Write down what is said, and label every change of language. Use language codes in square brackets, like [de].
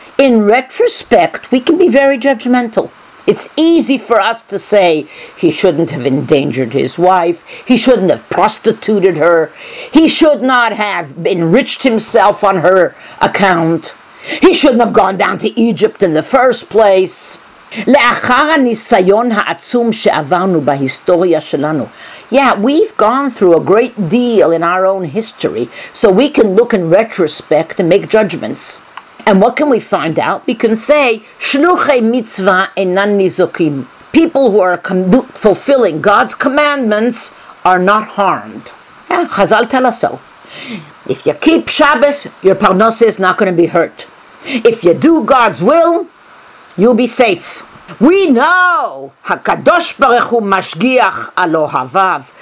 [en] In retrospect, we can be very judgmental. It's easy for us to say he shouldn't have endangered his wife, he shouldn't have prostituted her, he should not have enriched himself on her account, he shouldn't have gone down to Egypt in the first place. [he] לאחר הניסיון העצום שעברנו בהיסטוריה שלנו. [en] Yeah, we've gone through a great deal in our own history, so we can look in retrospect and make judgments. And what can we find out? We can say, [he] שלוחי מצווה אינן ניזוקים. [en] People who are fulfilling God's commandments are not harmed. Yeah, Chazal tell us so. If you keep Shabbos, your parnosa is not going to be hurt. If you do God's will, you'll be safe. We know HaKadosh Baruch Hu [he] Mashgiach al Ohavav.